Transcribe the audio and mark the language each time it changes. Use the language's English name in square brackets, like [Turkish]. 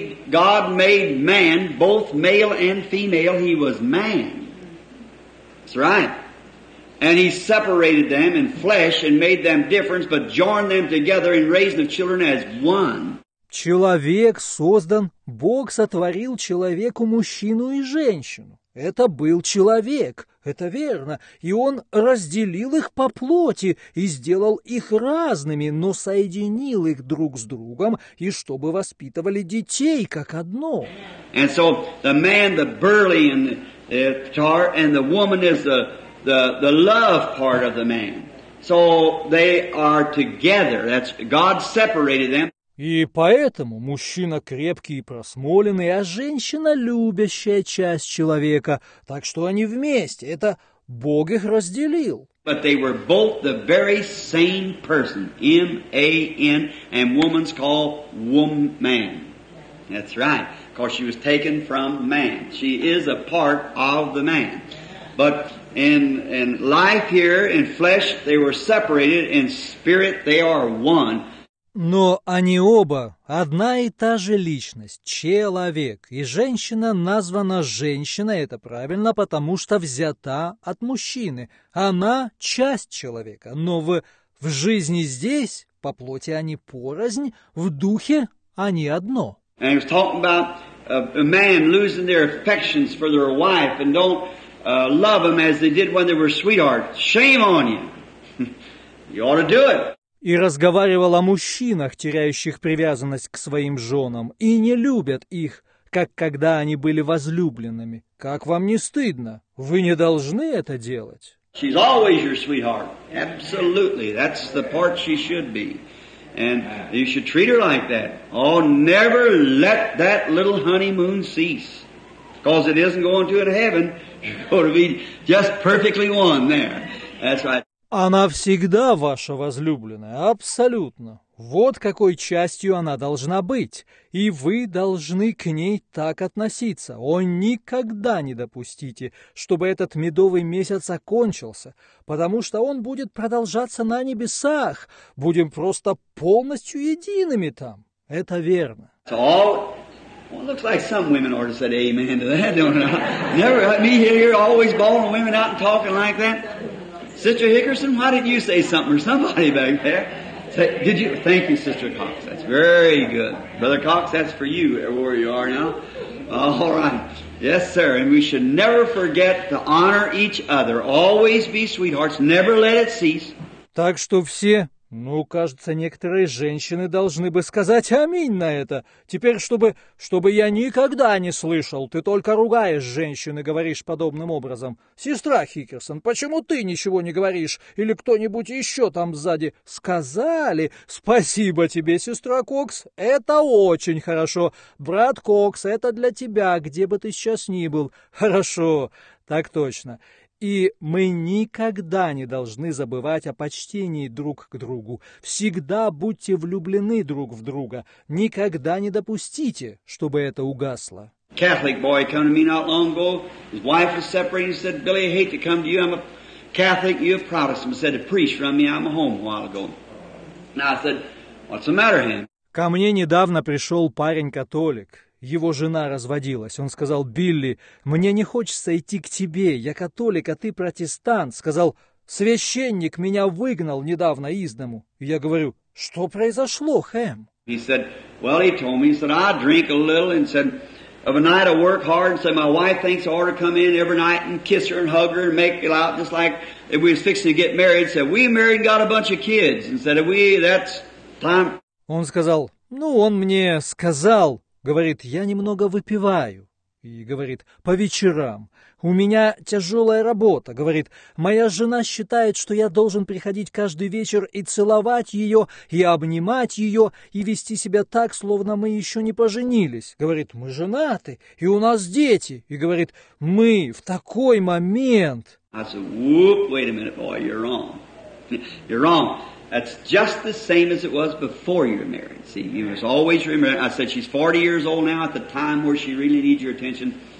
[English] God made man, both male and female, he was man. That's right. And he separated them in flesh and made them different, but joined them together in raising the children as one. [Russian] Человек создан, Бог сотворил человеку мужчину и женщину. Это был человек, это верно, и он разделил их по плоти и сделал их разными, но соединил их друг с другом, и чтобы воспитывали детей как одно. [English] And so the man, the burly and the tar, and the woman is the love part of the man. So they are together. That's God separated them. [Russian] И поэтому мужчина крепкий и просмоленный, а женщина любящая часть человека. Так что они вместе. Это Бог их разделил. [English] But they were both the very same person. M-A-N. And woman's called woman. That's right. Because she was taken from man. She is a part of the man. But in life here, in flesh, they were separated. In spirit, they are one. [Russian] Но они оба одна и та же личность, человек, и женщина названа женщиной, это правильно, потому что взята от мужчины. Она часть человека, но в жизни здесь, по плоти они порознь, в духе они одно. [English] And he was talking about a man losing their affections for their wife and don't love them as they did when they were sweethearts. Shame on you. You ought to do it. [Russian] И разговаривал о мужчинах, теряющих привязанность к своим женам, и не любят их, как когда они были возлюбленными. Как вам не стыдно? Вы не должны это делать. [English] She's always your sweetheart. Absolutely. That's the part she should be. And you should treat her like that. Oh, never let that little honeymoon cease. Because it isn't going to in heaven. You're going to be just perfectly one there. That's right. [Russian] Она всегда ваша возлюбленная, абсолютно. Вот какой частью она должна быть, и вы должны к ней так относиться. О, никогда не допустите, чтобы этот медовый месяц окончился, потому что он будет продолжаться на небесах. Будем просто полностью едиными там. Это верно. [English] Well, it looks like some women ought to say amen to that, don't they? Never let me hear you always bawling women out and talking like that. Sister Hickerson, why didn't you say something or somebody back there? Say, did you? Thank you, Sister Cox. That's very good. Brother Cox, that's for you, where you are now. All right. Yes, sir. And we should never forget to honor each other. Always be sweethearts. Never let it cease. [Russian] Так что все... Ну, кажется, некоторые женщины должны бы сказать аминь на это. Теперь, чтобы я никогда не слышал, ты только ругаешь женщин и говоришь подобным образом. Сестра Хикерсон, почему ты ничего не говоришь? Или кто-нибудь еще там сзади сказали? Спасибо тебе, сестра Кокс, это очень хорошо. Брат Кокс, это для тебя, где бы ты сейчас ни был. Хорошо, так точно. И мы никогда не должны забывать о почтении друг к другу. Всегда будьте влюблены друг в друга. Никогда не допустите, чтобы это угасло. [English] Catholic boy came to me not long ago. His wife was separated. He said, Billy, I hate to come to you. I'm a Catholic. You're a Protestant. He said, a priest run me. I'm home a while ago. And I said, what's the matter, him? [Russian] Ко мне недавно пришел парень-католик. Его жена разводилась. Он сказал, «Билли, мне не хочется идти к тебе. Я католик, а ты протестант». Сказал, Священник меня выгнал недавно из дому. Я говорю, что произошло, Хэм? [English] He said, well, he told me, he said, I drink a little, and said, of a night I work hard, and said, my wife thinks I ought to come in every night and kiss her and hug her and make it out, just like if we was fixing to get married, said, we married and got a bunch of kids, and said, we, that's time. [Russian] Он сказал, ну, он мне сказал, говорит, я немного выпиваю. И говорит, по вечерам. У меня тяжелая работа, говорит. Моя жена считает, что я должен приходить каждый вечер и целовать ее, и обнимать ее, и вести себя так, словно мы еще не поженились. Говорит, мы женаты, и у нас дети. И говорит, мы в такой момент. [English] I said, whoop, wait a minute, boy, you're wrong. You're wrong. That's just the same as it was before you were married. See, you must always remember. I said, she's 40 years old now at the time where she really needs your attention.